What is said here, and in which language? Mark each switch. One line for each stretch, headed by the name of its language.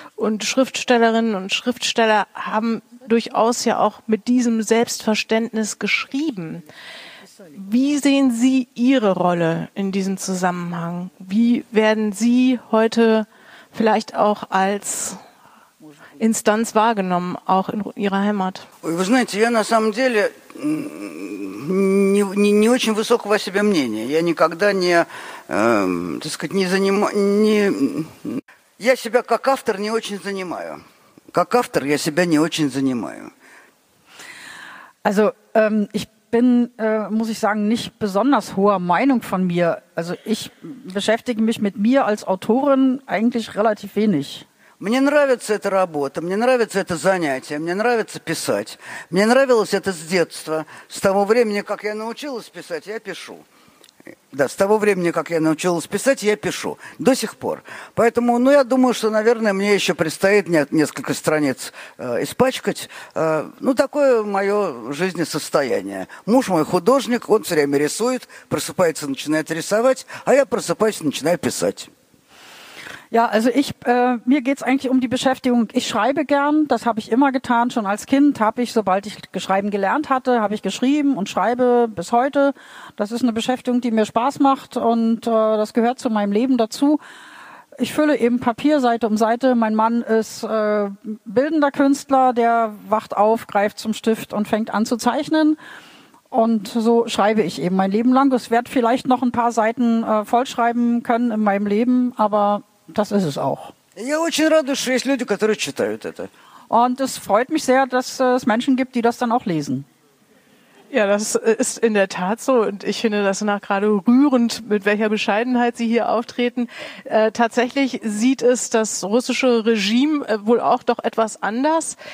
German: Und Schriftstellerinnen und Schriftsteller haben durchaus ja auch mit diesem Selbstverständnis geschrieben. Wie sehen Sie Ihre Rolle in diesem Zusammenhang? Wie werden Sie heute vielleicht auch als Instanz wahrgenommen, auch in Ihrer Heimat?
Russian: Вы знаете, я на самом деле не очень высокого о себе мнения. Я никогда не, так сказать, не занимаю... Не... Я себя как автор не очень занимаю. Как автор я себя не очень занимаю.
German: Also, ich bin, muss ich sagen, nicht besonders hoher Meinung von mir. Also ich beschäftige mich mit mir als Autorin eigentlich relativ wenig.
Russian: Мне нравится эта работа, мне нравится это занятие, мне нравится писать. Мне нравилось это с детства. С того времени, как я научилась писать, я пишу. Да, с того времени, как я научилась писать, я пишу. До сих пор. Поэтому, ну, я думаю, что, наверное, мне еще предстоит несколько страниц испачкать. Ну, такое мое жизнесостояние. Муж мой художник, он все время рисует, просыпается, начинает рисовать, а я просыпаюсь, начинаю писать.
German: Ja, also ich, mir geht's eigentlich um die Beschäftigung. Ich schreibe gern, das habe ich immer getan. Schon als Kind habe ich, sobald ich schreiben gelernt hatte, habe ich geschrieben und schreibe bis heute. Das ist eine Beschäftigung, die mir Spaß macht und das gehört zu meinem Leben dazu. Ich fülle eben Papier Seite um Seite. Mein Mann ist bildender Künstler, der wacht auf, greift zum Stift und fängt an zu zeichnen. Und so schreibe ich eben mein Leben lang. Ich werde vielleicht noch ein paar Seiten vollschreiben können in meinem Leben, aber... Das ist es auch.
Russian: Я очень радуюсь, что есть люди, которые читают это.
German: Und es freut mich sehr, dass es Menschen gibt, die das dann auch lesen. Ja, das ist in der Tat so. Und ich finde das nach gerade rührend, mit welcher Bescheidenheit Sie hier auftreten. Tatsächlich sieht es das russische Regime wohl auch doch etwas anders.